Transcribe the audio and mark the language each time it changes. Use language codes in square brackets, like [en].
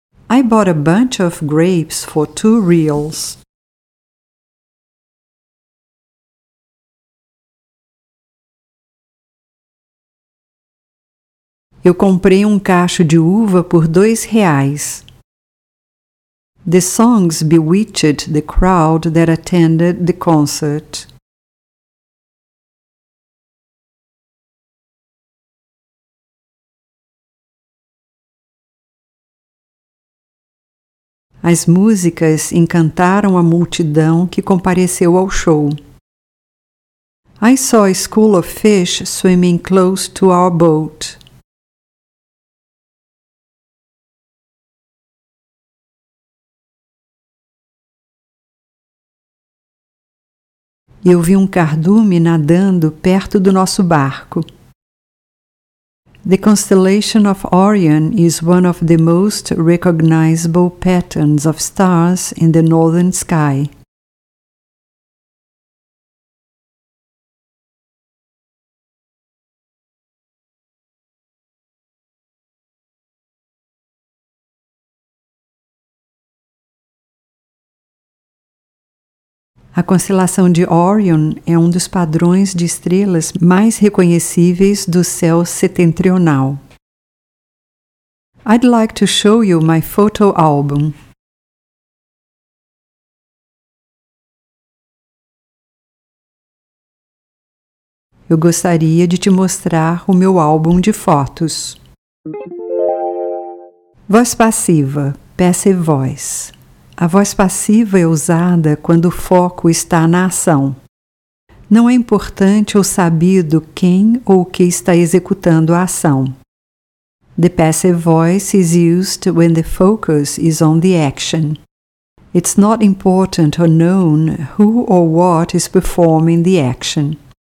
[en] I bought a bunch of grapes for 2 reals. [pt] Eu comprei um cacho de uva por 2 reais. [en] The songs bewitched the crowd that attended the concert. [pt] As músicas encantaram a multidão que compareceu ao show. [en] I saw a school of fish swimming close to our boat. [pt] Eu vi um cardume nadando perto do nosso barco. [en] The constellation of Orion is one of the most recognizable patterns of stars in the northern sky. [pt] A constelação de Orion é um dos padrões de estrelas mais reconhecíveis do céu setentrional. [en] I'd like to show you my photo album. [pt] Eu gostaria de te mostrar o meu álbum de fotos. Voz passiva, passive voice. A voz passiva é usada quando o foco está na ação. Não é importante ou sabido quem ou o que está executando a ação. [en] The passive voice is used when the focus is on the action. It's not important or known who or what is performing the action.